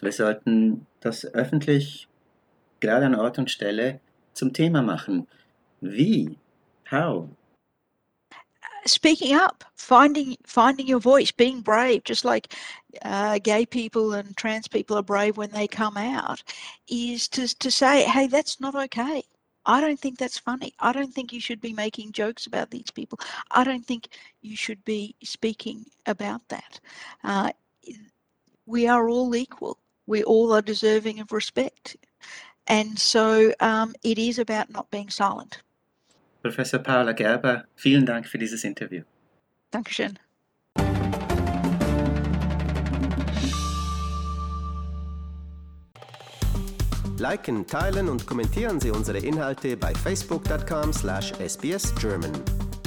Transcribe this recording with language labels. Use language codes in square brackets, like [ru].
[de] Wir sollten das öffentlich, gerade an Ort und Stelle, zum Thema machen. Wie? [en] How? Speaking up, finding your voice, being brave, just like gay people and trans people are brave when they come out, is to say, hey, that's not okay. I don't think that's funny. I don't think you should be making jokes about these people. I don't think you should be speaking about that. We are all equal. We all are deserving of respect. And so it is about not being silent. [de] Professor Paula Gerber, vielen Dank für dieses Interview. Dankeschön. Liken, teilen und kommentieren Sie unsere Inhalte bei facebook.com/sbsgerman.